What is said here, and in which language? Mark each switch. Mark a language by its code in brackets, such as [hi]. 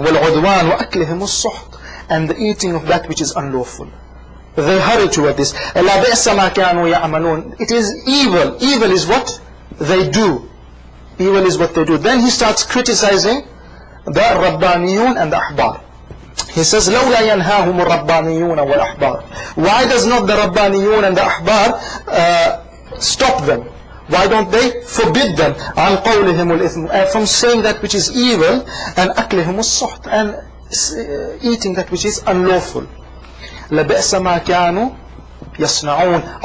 [ar] وَالْعُدْوَانُ وَأَكْلِهِمُ الصُّحْطُ. [en] And the eating of that which is unlawful. They hurry toward this. [ar] لَا بِأْسَ مَا كَانُوا يَعْمَلُونَ. [en] It is evil. Evil is what they do. Evil is what they do. Then he starts criticizing the Rabbaniyun and the Ahbar. He says, [ar] لَوْلَا يَنْهَاهُمُ الرَّبَّانِيُونَ وَالْأَحْبَارِ. [en] Why does not the Rabbaniyun and the Ahbar stop them? Why don't they forbid them [ar] عَنْ قَوْلِهِمُ الْإِثْمُ, [en] from saying that which is evil, and [ar] أَكْلِهِمُ الصُّحْتِ, [en] and eating that which is unlawful. [ar] لَبِئْسَ مَا كَانُوا يَصْنَعُونَ.